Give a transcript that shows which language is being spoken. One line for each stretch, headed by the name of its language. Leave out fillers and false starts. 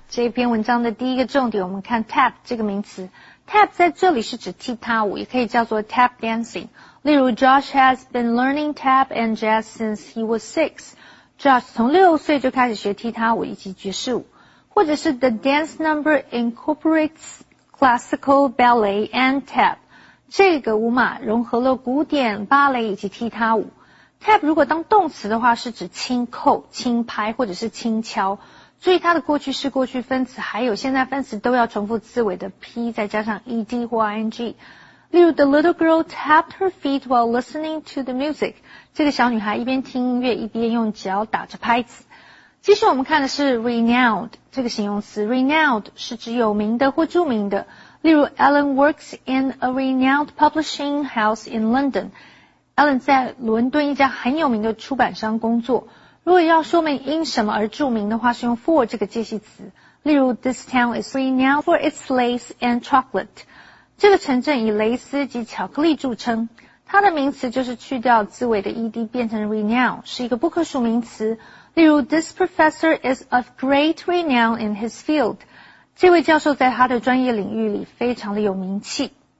Chinese: 这一篇文章的第一个重点，我们看 tap 这个名词。 Tap 在这里是指踢踏舞，也可以叫做 tap dancing。
English: 例如 ，Josh has been learning tap and jazz since he was 6.
Chinese: Josh 从六岁就开始学踢踏舞以及爵士舞。或者是 the dance number incorporates classical ballet and tap。这个舞码融合了古典芭蕾以及踢踏舞。 Tap 如果当动词的话是指轻扣、轻拍或者是轻敲。注意它的过去式、过去分词还有现在分词都要重复字尾的 P 再加上 ED 或 ING。
English: 例如 The little girl tapped her feet while listening to the music.
Chinese: 这个小女孩一边听音乐一边用脚打着拍子。继续我们看的是 renowned 这个形容词。renowned 是指有名的或著名的。
English: 例如 Ellen works in a renowned publishing house in London.
Chinese: Ellen 在伦敦一家很有名的出版商工作。如果要说明因什么而著名的话，是用 for 这个介系词。
English: 例如 ，This town is renowned for its lace and chocolate。
Chinese: 这个城镇以蕾丝及巧克力著称。它的名词就是去掉字尾的 ed 变成 renowned， 是一个不可数名词。
English: 例如 ，This professor is of great renown in his field。
Chinese: 这位教授在他的专业领域里非常的有名气。